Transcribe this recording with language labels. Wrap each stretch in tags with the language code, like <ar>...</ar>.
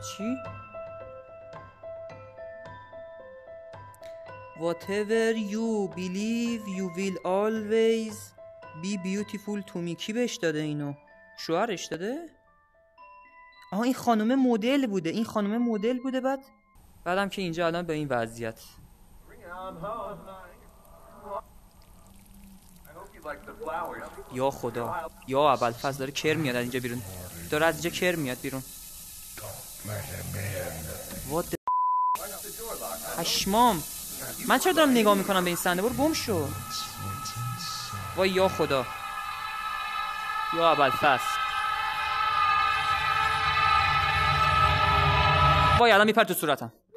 <en>چی؟ Whatever you believe, you will always be beautiful to me.</en> <fa>کی بهش داده اینو؟ شوهرش داده؟ آها این خانم مدل بوده. این خانم مدل بوده بعد؟ بعدم که اینجا الان به این وضعیت. یا خدا. یا ابوالفضل داره کر میاد اینجا بیرون. داره از اینجا کر میاد بیرون.</fa> <en>What the هشمام.</en> <fa>من چرا دارم نگاه میکنم به این صحنه؟ برو گم شو. وای یا خدا یا ابوالفضل. وای الان میپرد تو صورتم.</fa>